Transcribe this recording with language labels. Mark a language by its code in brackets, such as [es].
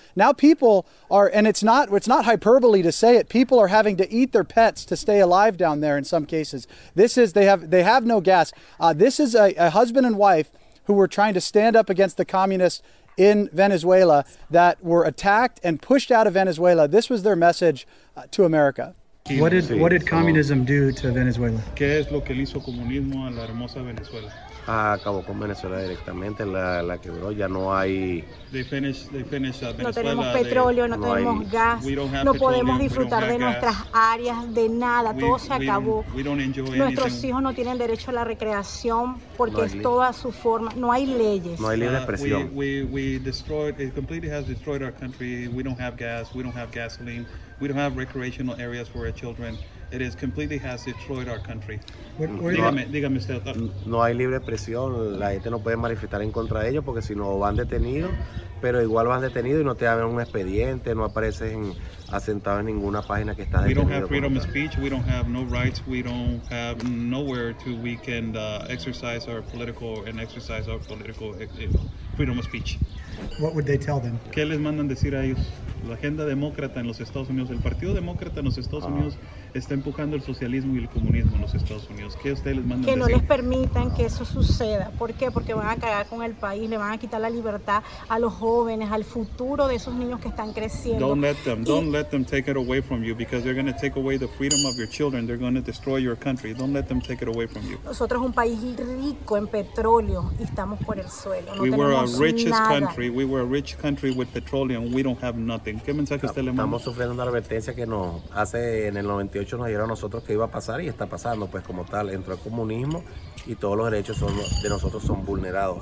[en] Now people are, and it's not hyperbole to say it, people are having to eat their pets to stay alive down there in some cases. They have no gas. This is a husband and wife who were trying to stand up against the communists in Venezuela that were attacked and pushed out of Venezuela. This was their message to America. What did communism do to Venezuela? [es] ¿Qué es lo que le hizo comunismo a la hermosa Venezuela? Acabó con Venezuela directamente, la quebró, ya no hay. [en] They finished Venezuela. [es] No tenemos petróleo, no tenemos gas, no podemos disfrutar de nuestras áreas, de nada, todo se acabó. Nuestros hijos no tienen derecho a la recreación porque es toda su forma, no hay leyes. No hay libre expresión. [en] We destroyed, it completely has destroyed our country. We don't have gas, we don't have gasoline, we don't have recreational areas for our children. It is completely has destroyed our country. [es] Dígame usted. No hay libre expresión. La gente no puede manifestar en contra de ellos porque si no van detenidos, pero igual van detenidos y no te dan un expediente, no apareces asentado en ninguna página que está detenido. [en] We don't have freedom of speech. We don't have no rights. We don't have nowhere to we can exercise our political freedom of speech. What would they tell them? [es] ¿Qué les mandan decir a ellos? La agenda demócrata en los Estados Unidos, el partido demócrata en los Estados Unidos está empujando el socialismo y el comunismo en los Estados Unidos. ¿Qué ustedes les mandan que decir? No les permitan que eso suceda. ¿Por qué? Porque van a cagar con el país, le van a quitar la libertad a los jóvenes, al futuro de esos niños que están creciendo. [en] Don't let them take it away from you, because they're going to take away the freedom of your children. They're going to destroy your country. Don't let them take it away from you. [es] Nosotros somos un país rico en petróleo y estamos por el suelo. No [en] we were a richest [es] nada. [en] Country. We were a rich country with petroleum. We don't have nothing. [es] ¿Qué mensaje usted le manda? Estamos sufriendo una advertencia que nos hace en el 98 nos dijeron a nosotros que iba a pasar y está pasando, pues como tal, entró el comunismo y todos los derechos son, de nosotros son vulnerados.